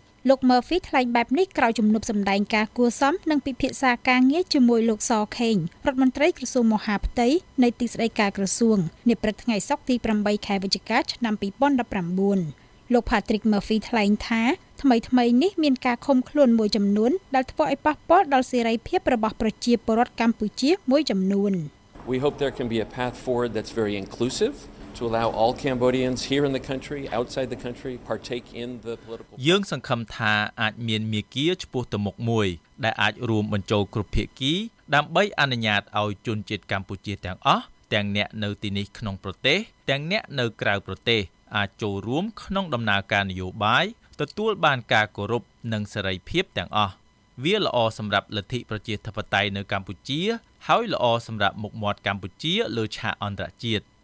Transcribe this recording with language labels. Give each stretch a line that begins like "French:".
Khmer: លោក Murphy ថ្លែងបែបនេះក្រោយជំនួបសម្ដែងការគួសមនិងពិភាក្សាការងារជាមួយលោកសខេងរដ្ឋមន្ត្រីក្រសួងមហាផ្ទៃនៃទីស្តីការក្រសួងនាព្រឹកថ្ងៃសុក្រទី8ខែវិច្ឆិកាឆ្នាំ2019លោក Patrick Murphy ថ្លែងថាថ្មីៗនេះមានការខំខ្លួនមួយចំនួនដែលធ្វើឲ្យប៉ះពាល់ដល់សេរីភាពរបស់ប្រជាពលរដ្ឋកម្ពុជាមួយចំនួន
English: We hope there can be a path forward that's very inclusive. To allow all Cambodians here in the country, outside the country, partake in the political process.
Khmer: យើងសង្ឃឹមថាអាចមានមាគ៌ាឆ្ពោះទៅមុខមួយដែលអាចរួមបញ្ចូលគ្រប់ភាគីដើម្បីអនុញ្ញាតឲ្យជនជាតិកម្ពុជាទាំងអស់ទាំងអ្នកនៅទីនេះក្នុងប្រទេសទាំងអ្នកនៅក្រៅប្រទេសអាចចូលរួមក្នុងដំណើរការនយោបាយទទួលបានការគោរពនិងសេរីភាពទាំងអស់វាល្អសម្រាប់លទ្ធិប្រជាធិបតេយ្យនៅកម្ពុជាហើយល្អសម្រាប់មុខមាត់កម្ពុជាលើឆាកអន្តរជាតិ